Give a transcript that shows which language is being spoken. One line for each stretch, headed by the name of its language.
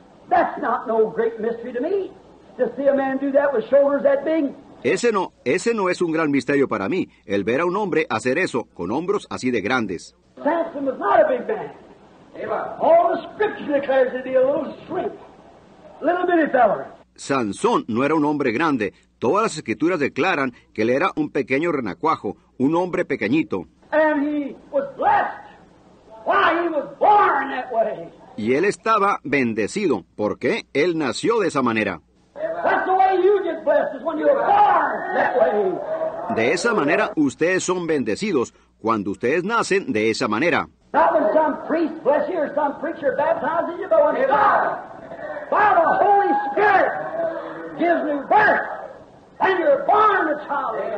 English: That's not great mystery to me. To see a man do that with shoulders that big.
Spanish: Ese no es un gran misterio para mí, el ver a un hombre hacer eso con hombros así de grandes.
English: Samson was not a big man. All the scripture declares to be a little shrimp, little bitty fella.
Spanish: Sansón no era un hombre grande. Todas las escrituras declaran que él era un pequeño renacuajo, un hombre pequeñito.
English: And he was blessed. Why, he was born that way.
Spanish: Y él estaba bendecido. ¿Por qué? Él nació de esa manera.
English: That's the way you get blessed, is when you're born that way.
Spanish: De esa manera ustedes son bendecidos cuando ustedes nacen de esa manera.
English: Not when some priest bless you or some preacher baptizes you, but when God, by the Holy Spirit, gives new birth, and you're born a child.